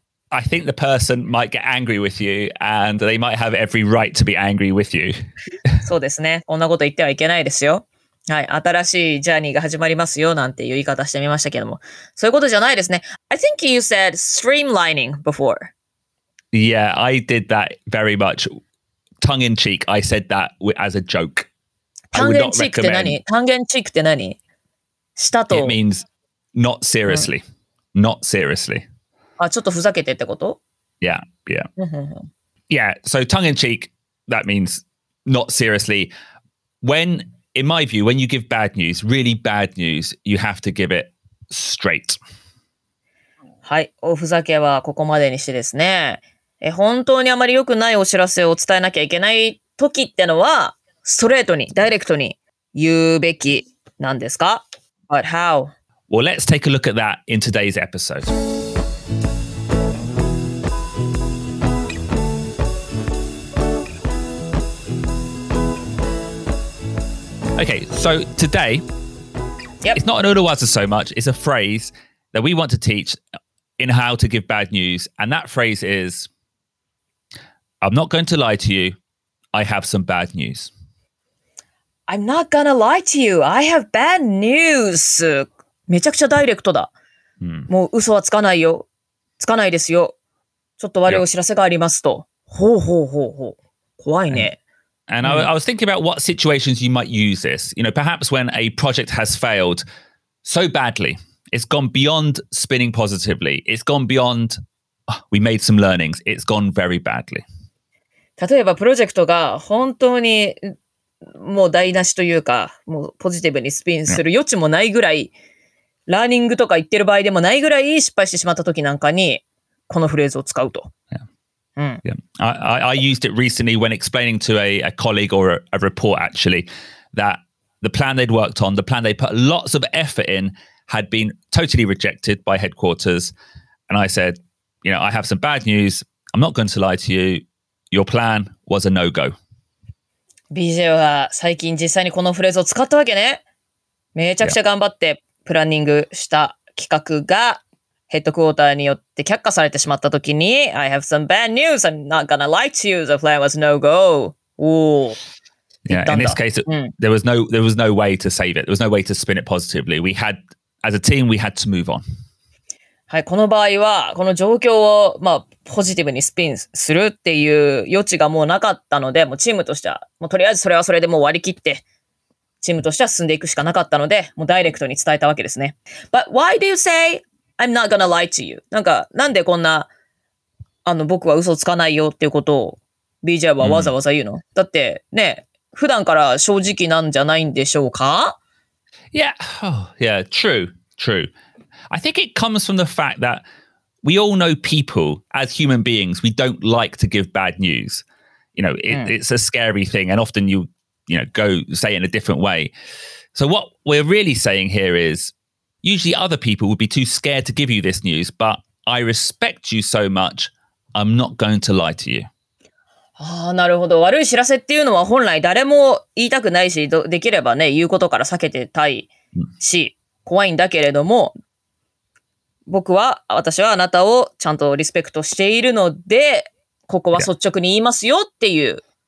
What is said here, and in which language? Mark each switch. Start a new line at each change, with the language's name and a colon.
English: I think the person might get angry with you, and they might have every right to be angry with you.
Japanese: そうですね。こんなこと言ってはいけないですよ。はい、新しいジャーニーが始まりますよなんていう言い方してみましたけども、そういうことじゃないですね。
English: I think you said streamlining before. Yeah, I did that very much. Tongue in cheek, I said that as a joke. Tongue in cheek
Japanese: って何?Tongue in cheek って何? 舌と。
English: It means not seriously. Not seriously.
Japanese: あ、ちょっとふざけてってこと？
English: Yeah, yeah. Yeah, so tongue in cheek, that means not seriously. When, in my view, when you give bad news, really bad news, you have to give it straight.
Japanese: はい、おふざけはここまでにしてですね。え、本当にあまり良くないお知らせを伝えなきゃいけない時ってのは、ストレートに、ダイレクトに言うべきなんですか？
English: But how? Well, let's take a look at that in today's episode. Okay, so today,、 yep. it's not an urawaza so much, it's a phrase that we want to teach in how to give bad news. And that phrase is, I'm not going to lie to you, I have some bad news. I'm not going to lie to you, I have bad news.
Japanese: めちゃくちゃダイレクトだ。もう嘘はつかないよ。つかないですよ。ちょっと悪いお知らせがありますと。ほうほうほうほう。怖いね。
English: And I was thinking about what situations you might use this. You know, perhaps when a project has failed so badly, it's gone beyond spinning positively. It's gone beyond, we made some learnings. It's gone very badly.
Japanese: 例えばプロジェクトが本当にもう台無しというか、もうポジティブにスピンする余地もないぐらい、ラーニングとか言ってる場合でもないぐらい失敗してしまった時なんかにこのフレーズを使うと。
English: Yeah. Yeah. I used it recently when explaining to a colleague or a report actually that the plan they'd worked on, the plan they put lots of effort in had been totally rejected by headquarters. And I said, you know, I have some bad news. I'm not going to lie to you. Your plan was a no-go.
Japanese: BJ は最近実際にこのフレーズを使ったわけね。めちゃくちゃ頑張って。Yeah. プランニングした企画がヘッドクォーターによって却下されてしまったときに
English: I have some bad news, I'm not gonna lie to you, the plan was no go. Yeah, in this case,、there was no way to save it. There was no way to spin it positively. We had, as a team, we had to move on.
Japanese: はい、この場合はこの状況を、まあ、ポジティブにスピンするっていう余地がもうなかったので、もうチームとしてはもうとりあえずそれはそれでもう割り切ってチームとしては進んでいくしかなかったので、もうダイレクトに伝えたわけですね。
English: But why do you say I'm not gonna lie to you?
Japanese: なんか、なんでこんな、あの、僕は嘘つかないよっていうことを BJ はわざわざ言うの？だって、ね、普段から正直なんじゃないんでしょうか？
English: Yeah, oh, yeah, true, true. I think it comes from the fact that we all know people, as human beings, we don't like to give bad news. You know, it's a scary thing, and often you know, go say in a different way. So what we're really saying here is usually other people would be too scared to give you this news, but I respect you so much, I'm not going to lie to you.
Japanese: ああ、なるほど。悪い知らせっていうのは本来誰も言いたくないし、できればね、言うことから避けてたいし、怖いんだけれども、僕は、私はあなたをちゃんとリスペクトしているので、ここは率直に言いますよっていう、yeah.